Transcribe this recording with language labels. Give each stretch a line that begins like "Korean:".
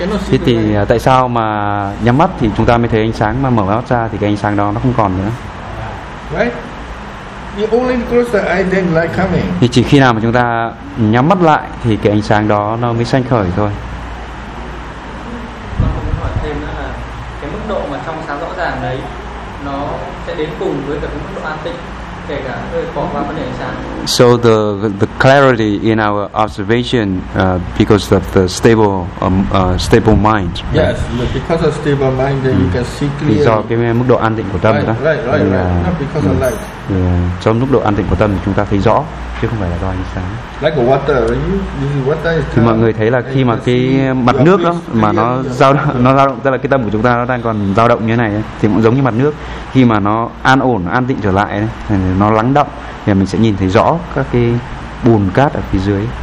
Vietnamese: Thế thì tại sao mà nhắm mắt thì chúng ta mới thấy ánh sáng, mà mở mắt ra thì cái ánh sáng đó nó không còn nữa?
English: You only close the eye, then light coming.
Vietnamese: Thì chỉ khi nào mà chúng ta nhắm mắt lại thì cái ánh sáng đó nó mới sanh khởi thôi. Con cũng hỏi thêm nữa là cái mức độ mà trong sáng rõ ràng đấy nó sẽ đến cùng với cả cái mức độ an tĩnh, kể cả hơi bỏ qua vấn đề ánh sáng.
English: So the clarity in our observation because of the stable mind. Right? Yes, because of stable mind, then you can see clearly.
Vietnamese: Do cái mức độ an tĩnh của tâm đó.
English: Right. Not because of light.
Vietnamese: Trong mức độ an tĩnh của tâm chúng ta thấy rõ chứ không phải là do ánh sáng.
English: Like water, you
Vietnamese: mọi người thấy là khi mà cái mặt nước đó mà nó dao động, tức là cái tâm của chúng ta nó đang còn dao động như thế này thì cũng giống như mặt nước, khi mà nó an ổn, an tĩnh trở lại thì nó lắng đọng thì mình sẽ nhìn thấy rõ các cái bùn cát ở phía dưới.